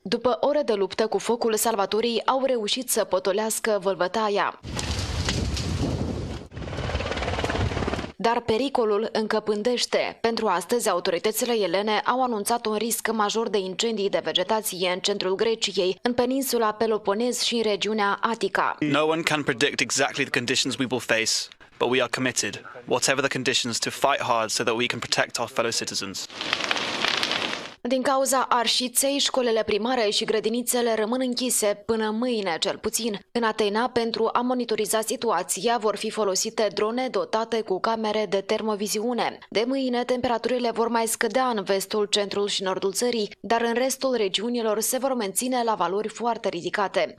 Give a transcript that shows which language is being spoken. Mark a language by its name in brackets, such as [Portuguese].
[Romanian] După ore de luptă cu focul, salvatorii au reușit să potolească vâlvătaia. Dar pericolul încăpândește. Pentru astăzi, autoritățile elene au anunțat un risc major de incendii de vegetație în centrul Greciei, în peninsula Peloponez și în regiunea Atica. [English] No one can predict exactly the conditions we will face. But we are committed, whatever the conditions, to fight hard so that we can protect our fellow citizens. [Romanian] Din cauza arșiței, școlile primare și grădinițele rămân închise până mâine, cel puțin. În Atena, pentru a monitoriza situația, vor fi folosite drone dotate cu camere de termoviziune. De mâine, temperaturile vor mai scădea în vestul, centrul și nordul țării, dar în restul regiunilor se vor menține la valori foarte ridicate.